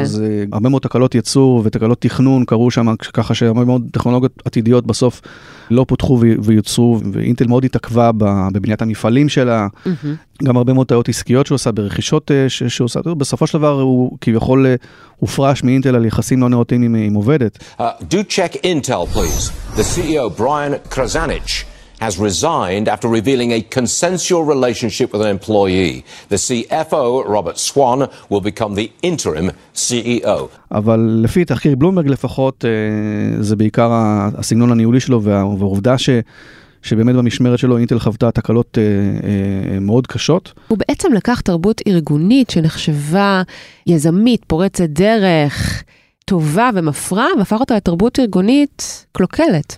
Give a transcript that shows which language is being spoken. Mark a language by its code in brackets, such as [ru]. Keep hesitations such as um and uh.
[he] אז הרבה מאוד תקלות ייצור ותקלות תכנון קרו שם, ככה שהרבה מאוד טכנולוגיות עתידיות בסוף לא פותחו ויוצרו, ואינטל מאוד התעכבה בבניית המפעלים שלה, גם הרבה מאוד טעות עסקיות שהוא עשה, ברכישות ש- שהוא עשה, בסופו של דבר הוא כביכול הופרש מאינטל על יחסים לא נאותים עם, עם עובדת. Uh, [en] Intel, please. The CEO, Brian Krasanich. has resigned after revealing a consensual relationship with an employee. The CFO, Robert Swan, will become the interim CEO. [he] אבל לפי תחקיר בלומברג לפחות, זה בעיקר הסגנון הניהולי שלו והעובדה ש... שבאמת במשמרת שלו אינטל חוותה תקלות אה, אה, מאוד קשות. הוא בעצם לקח תרבות ארגונית שנחשבה יזמית, פורצת דרך, טובה ומפרה, והפך אותה לתרבות ארגונית קלוקלת.